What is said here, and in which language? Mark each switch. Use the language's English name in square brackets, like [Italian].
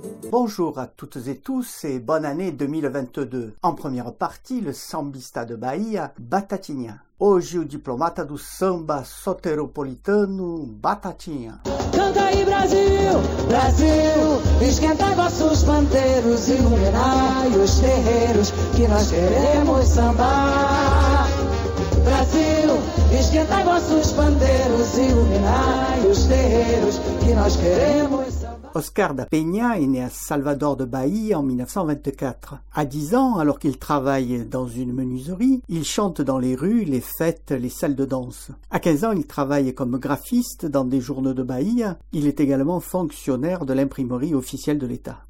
[French] Bonjour à toutes et tous et bonne année 2022. En première partie, le sambista de Bahia, Batatinha. [Portuguese] Hoje, o diplomata do samba soteropolitano, Batatinha. Canta aí, Brasil, Brasil, esquenta vossos panteiros, iluminai os terreiros que nós queremos sambar. Brasil, esquenta vossos panteiros, iluminai os terreiros que nós queremos. [French] Oscar da Peña est né à Salvador de Bahia en 1924. À 10 ans, alors qu'il travaille dans une menuiserie, il chante dans les rues, les fêtes, les salles de danse. À 15 ans, il travaille comme graphiste dans des journaux de Bahia. Il est également fonctionnaire de l'imprimerie officielle de l'État.